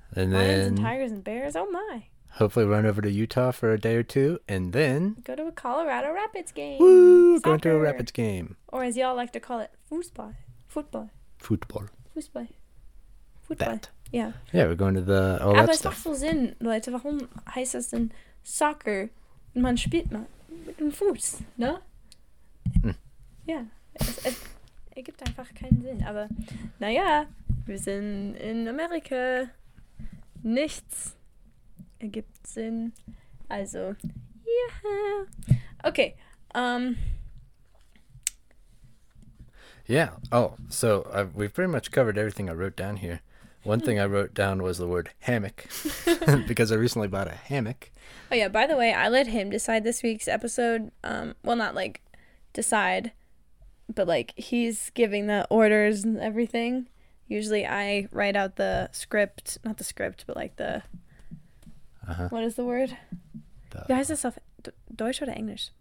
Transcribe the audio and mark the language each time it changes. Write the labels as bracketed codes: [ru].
[en] And then lions and tigers and bears. Oh, my. Hopefully run over to Utah for a day or two. And then go to a Colorado Rapids game. Woo! Soccer. Going to a Rapids game. Or as y'all like to call it, foosball. Football. Football. Foosball. Football. That. Yeah. Yeah, we're going to the all that stuff. [de] Aber es macht voll Sinn, Leute, warum heißt es denn Soccer? Man spielt man mit dem Fuß, ne? Ja, es gibt einfach keinen Sinn. Aber naja, wir sind in Amerika. Nichts ergibt Sinn. Also, ja. [en] Yeah. Okay. Yeah. Oh, so we've pretty much covered everything I wrote down here. One thing I wrote down was the word hammock, because I recently bought a hammock. Oh, yeah. By the way, I let him decide this week's episode. Well, not, like, decide, but, like, he's giving the orders and everything. Usually I write out the script, not the script, but, like, the, what is the word? [de] Wie heißt das auf Deutsch oder Englisch?